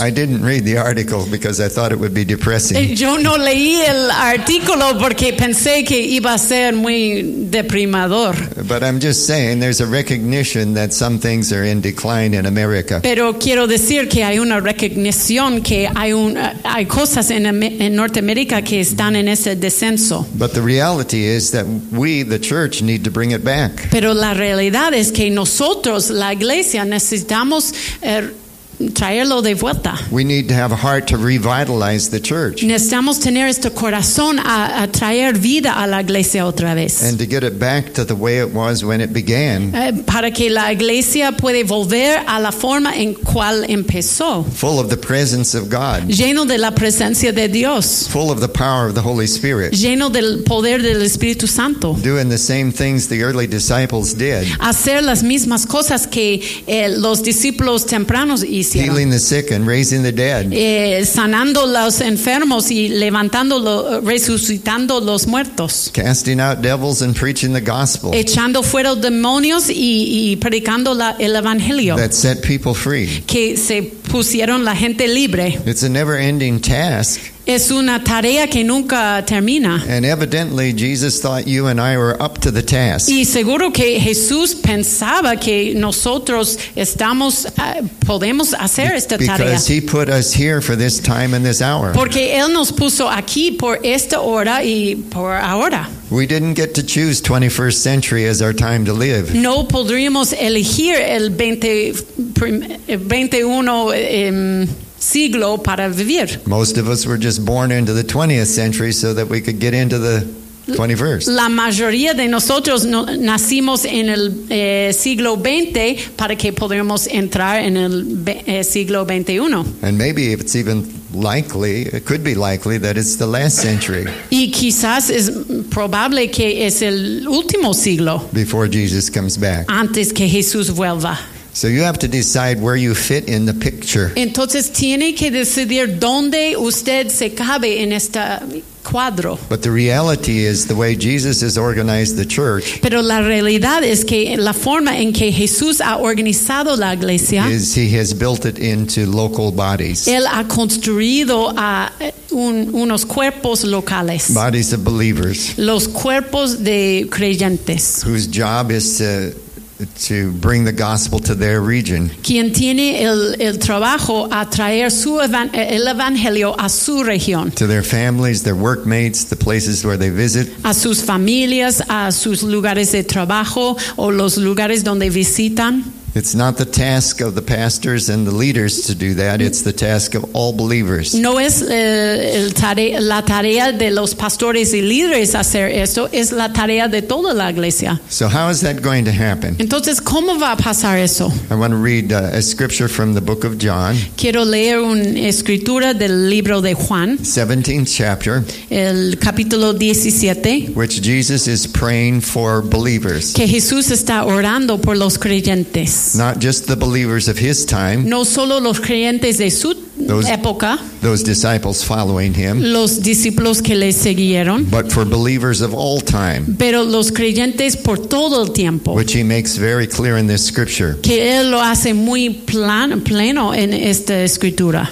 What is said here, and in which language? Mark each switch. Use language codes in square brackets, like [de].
[en] I didn't read the article because I thought it would be depressing. [es] Yo no leí el artículo porque pensé que iba a ser muy deprimador. [en] But I'm just saying there's a recognition that some things are in decline in America. [es] Pero quiero decir que hay una recognición que hay cosas en Norteamérica que están en ese descenso. [en] But the reality is that we, the church, need to bring it back. [es] Pero la realidad es que nosotros, la iglesia, necesitamos traerlo de vuelta. [en] We need to have a heart to revitalize the church. [es] Necesitamos tener este corazón a traer vida a la iglesia otra vez. [en] And to get it back to the way it was when it began. [es] Para que la iglesia puede volver a la forma en cual empezó. [en] Full of the presence of God. [es] Lleno de la presencia de Dios. [en] Full of the power of the Holy Spirit. [es] Lleno del poder del Espíritu Santo. [en] Doing the same things the early disciples did. [es] Hacer las mismas cosas que los discípulos tempranos. [en] Healing the sick and raising the dead. [es] Sanando los enfermos y resucitando los muertos. [en] Casting out devils and preaching the gospel. [es] Echando fuera demonios y predicando el evangelio. [en] That set people free. [es] Que se pusieron la gente libre. [en] It's a never-ending task. [es] Es una tarea que nunca termina. [en] And evidently Jesus thought you and I were up to the task. [es] Y seguro que Jesús pensaba que nosotros podemos hacer esta tarea. [en] Because he put us here for this time and this hour. [es] Porque él nos puso aquí por esta hora y por ahora. [en] We didn't get to choose 21st century as our time to live. [es] No podríamos elegir el 21 siglo para vivir. [en] Most of us were just born into the 20th century so that we could get into the 21st. [es] La mayoría de nosotros nacimos en el siglo 20 para que podamos entrar en el siglo 21. [en] And maybe if it's even likely, it could be likely that it's the last century. [es] Y quizás es probable que es el último siglo. [en] Before Jesus comes back. [es] Antes que Jesús vuelva. [en] So you have to decide where you fit in the picture. [es] Entonces tiene que decidir dónde usted se cabe en esta. [en] But the reality is the way Jesus has organized the church. [es] Pero la realidad es que la forma en que Jesús ha organizado la iglesia [en] is he has built it into local bodies. [es] Él ha construido a unos cuerpos locales. [en] Bodies of believers. [es] Los cuerpos de creyentes. [en] Whose job is to bring the gospel to their region. [es] Quien tiene el trabajo a traer el evangelio a su región. [en] To their families, their workmates, the places where they visit. [es] A sus familias, a sus lugares de trabajo o los lugares donde visitan. [en] It's not the task of the pastors and the leaders to do that. It's the task of all believers. [es] No es la tarea de los pastores y líderes hacer esto. Es la tarea de toda la iglesia. [en] So how is that going to happen? [es] Entonces, ¿cómo va a pasar eso? [en] I want to read a scripture from the book of John. [es] Quiero leer una escritura del libro de Juan. [en] 17th chapter. [es] El capítulo 17. [en] Which Jesus is praying for believers. [es] Que Jesús está orando por los creyentes. [en] Not just the believers of his time. [es] No solo los creyentes de su época. [en] Those disciples following him. [es] Los discípulos que le siguieron. [en] But for believers of all time. [es] Pero los creyentes por todo el tiempo. [en] Which he makes very clear in this scripture. [es] Que él lo hace muy pleno en esta escritura.